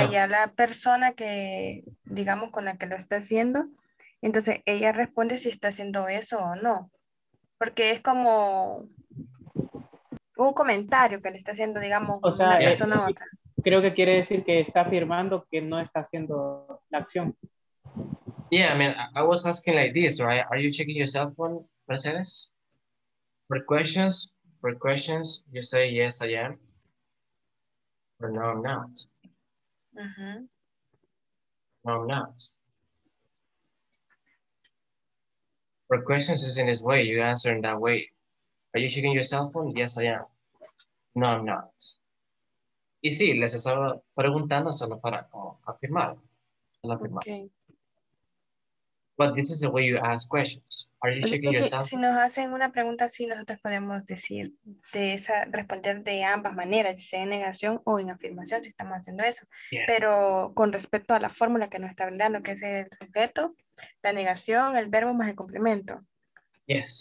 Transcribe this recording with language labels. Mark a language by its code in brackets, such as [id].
[es] Allá la persona que, digamos, con la que lo está haciendo, entonces ella responde si está haciendo eso o no. Porque es como un comentario que le está haciendo, digamos, o sea, una persona a otra. Creo que quiere decir que está afirmando que no está haciendo la acción. [en] Yeah, I mean, I was asking like this, right? Are you checking your cell phone, presentes? For questions, you say yes, I am. Or no, I'm not. Uh-huh. No, I'm not. For questions, is in this way. You answer in that way. Are you checking your cell phone? Yes, I am. No, I'm not. [es] Y sí, les estaba preguntando solo para afirmar. [en] Okay. But this is the way you ask questions. Are you checking your cell phone? [es] Si nos hacen una pregunta, sí, nosotros podemos decir, responder de ambas maneras, sea en negación o en afirmación, si estamos haciendo eso. [en] Yeah. [es] Pero con respecto a la fórmula que nos está brindando, que es el sujeto, la negación, el verbo más el complemento. [en] Yes.